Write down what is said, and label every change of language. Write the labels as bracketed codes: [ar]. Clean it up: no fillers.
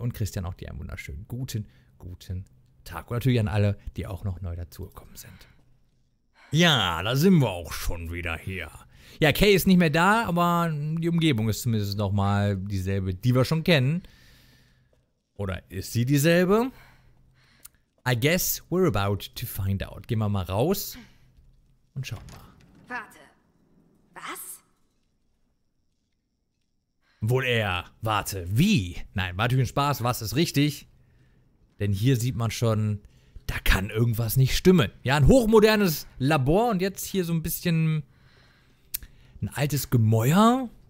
[de] Und Christian, auch dir einen wunderschönen guten Tag. Und natürlich an alle, die auch noch neu dazugekommen sind. Ja, da sind wir auch schon wieder hier. Ja, Kay ist nicht mehr da, aber die Umgebung ist zumindest nochmal dieselbe, die wir schon kennen. Oder ist sie dieselbe? [en] I guess we're about to find out. [de] Gehen wir mal raus und schauen mal. Warte, was? Wohl eher, warte, wie? Nein, war natürlich ein Spaß, was ist richtig? Denn hier sieht man schon, da kann irgendwas nicht stimmen. Ja, ein hochmodernes Labor und jetzt hier so ein bisschen ein altes Gemäuer.